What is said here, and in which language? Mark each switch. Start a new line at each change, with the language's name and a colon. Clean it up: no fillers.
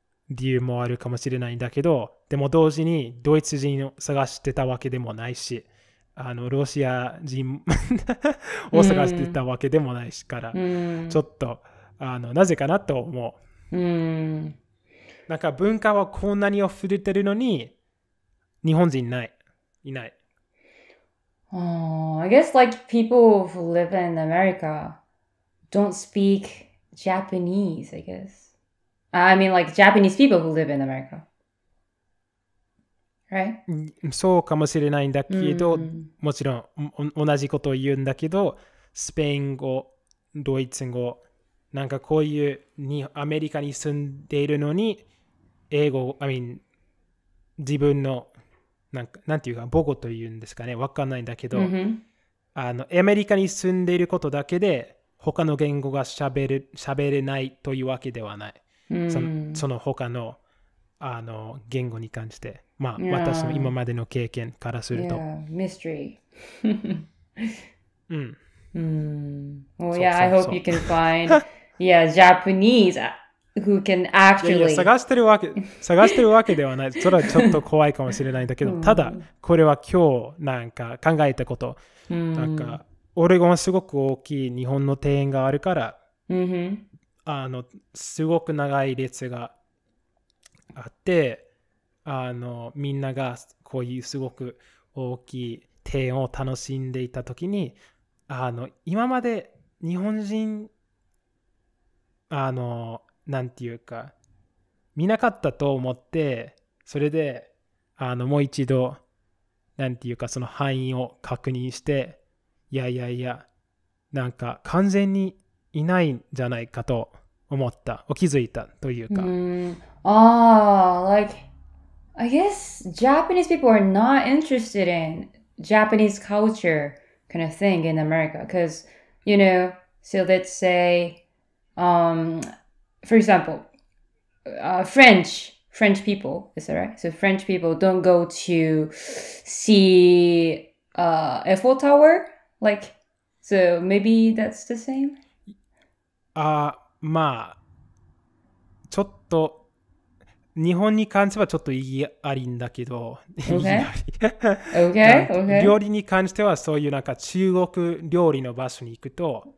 Japanese: 理由もあるかもしれないんだけど、でも同時にドイツ人を探してたわけでもないし、あのロシア人を探してたわけでもないしから、うん、ちょっとあのなぜかなと思う、うん。なんか文化はこんなに溢れてるのに、日本人ない。いない。
English: I guess like people who live in America... don't speak Japanese, I guess. I mean, like, Japanese people who live in America. Right?
Japanese: そうかもしれないんだけど、mm-hmm. もちろん同じことを言うんだけど、スペイン語、ドイツ語、なんかこういうにアメリカに住んでいるのに、英語、
English: I mean,
Japanese: 自分のなんか、なんていうか、母語というんですかね、わかんないんだけど、 mm-hmm. あの、アメリカに住んでいることだけで、他の言語が喋れないというわけではない。その他 の, あの言語に関して、まあ、yeah. 私の今までの経験からすると。
English: Yeah. Mystery.
Japanese: うん。 Mm.
English: Well, yeah, I hope you can find yeah, Japanese who can actually...
Japanese: いやいや探してるわけではない。それはちょっと怖いかもしれないんだけど、ただ、これは今日なんか考えたこと。なんか、オレゴンはすごく大きい日本の庭園があるから、 mm-hmm. あのすごく長い列があって、あのみんながこういうすごく大きい庭園を楽しんでいたときに、あの今まで日本人あのなんていうか見なかったと思って、それであのもう一度なんていうかその範囲を確認して、いやいやいや、なんか完全にいないんじゃないかと思った、お気づいたというか。
English: Like, I guess Japanese people are not interested in Japanese culture kind of thing in America. Because, you know, so let's say, for example, French people, is that right? So French people don't go to see Eiffel Tower. Like, so maybe that's the same?
Japanese: まあ、ちょっと、日本に関してはちょっと意義ありんだけど、
English: okay. okay. okay.
Japanese: 料理に関してはそういうなんか中国料理の場所に行くと、